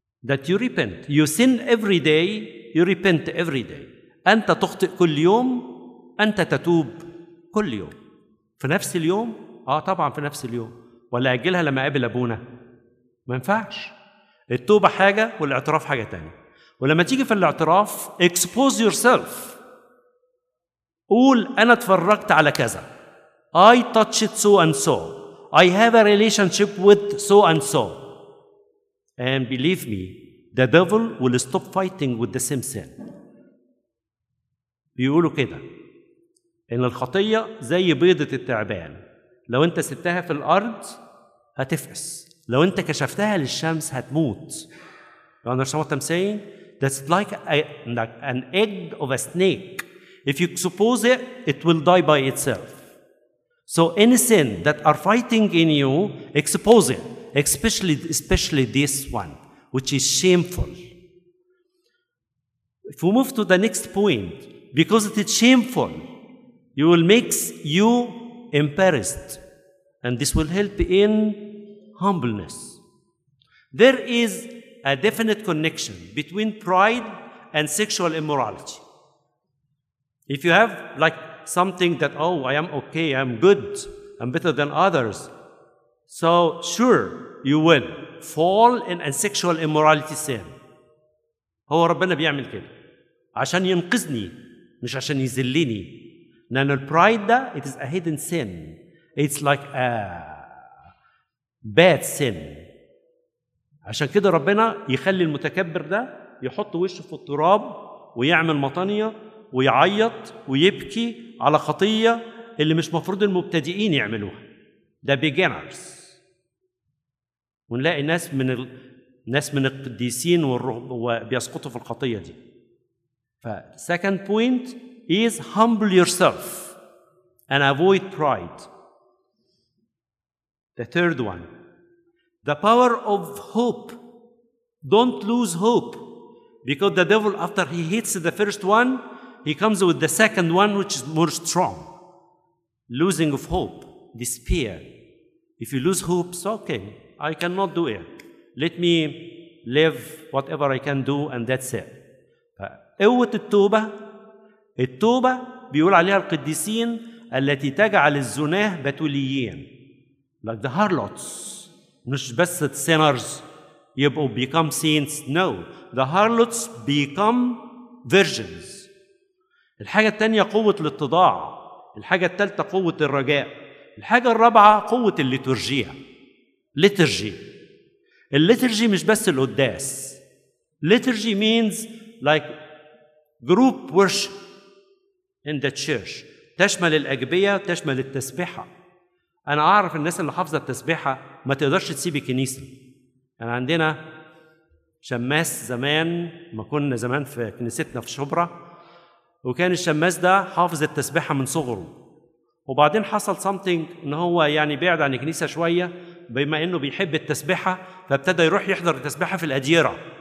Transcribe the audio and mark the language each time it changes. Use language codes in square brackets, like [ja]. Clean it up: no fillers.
[en] That you repent. You sin every day, you repent every day. [ar] أنت تخطئ كل يوم, أنت تتوب كل يوم. في نفس اليوم؟ آه طبعاً في نفس اليوم. ولا أجلها لما قابل أبونا؟ ما ينفعش. التوبة حاجة والاعتراف حاجة تانية. ولما تيجي في الاعتراف, [en] expose yourself. [ar] قول أنا اتفرجت على كذا. [en] I touched so and so. I have a relationship with so and so. And believe me, the devil will stop fighting with the same sin. [ar] بيقولوا كده. إن الخطية زي بيضة التعبان. لو أنت سبتها في الأرض هتفقس. لو أنت كشفتها للشمس هتموت. [en] You understand what I'm saying? That's like an egg of a snake. If you expose it, it will die by itself. So any sin that are fighting in you, expose it, especially this one, which is shameful. If we move to the next point, because it is shameful, you will make you embarrassed, and this will help in humbleness. There is a definite connection between pride and sexual immorality. If you have like something that, oh, I am okay, I'm good, I'm better than others, so sure, you will fall in a sexual immorality sin. [ar] هو ربنا بيعمل كده عشان ينقذني مش عشان يذلني. لأن البرايد ده, [en] it is a hidden sin. It's like a bad sin. [ar] عشان كده ربنا يخلي المتكبر ده يحط وشه في التراب ويعمل مطانية ويعيط ويبكي على خطية اللي مش مفروض المبتدئين يعملوها. ده beginners. ونلاقي ناس من القديسين وبيسقطوا في الخطية دي. [en] فsecond point is humble yourself and avoid pride. The third one, the power of hope. Don't lose hope, because the devil, after he hits the first one, he comes with the second one, which is more strong. Losing of hope, despair. If you lose hope, so okay, I cannot do it. Let me live whatever I can do, and that's it. [ar] قوة التوبة. التوبة بيقول عليها القديسين التي تجعل الزناه بتوليين. [en] Like the harlots. [ar] مش بس [en] sinners [ar] يبقوا [en] become saints. No. The harlots become virgins. [ar] الحاجة التانية قوة الاتضاع. الحاجة التالتة قوة الرجاء. الحاجة الرابعة قوة الليتورجية. Liturgy. الليتورجي مش بس القداس. [en] Liturgy means like group worship in the church. [ar] تشمل الأجبية وتشمل التسبيحة. أنا أعرف الناس اللي حافظة التسبيحة ما تقدرش تسيب الكنيسة. أنا عندنا شماس زمان، ما كنا زمان في كنيستنا في شبرا، وكان الشماس ده حافظ التسبيحة من صغره، وبعدين حصل something إن هو يعني بعد عن الكنيسة شوية، بما إنه بيحب التسبيحة فابتدى يروح يحضر التسبيحة في الأديرة.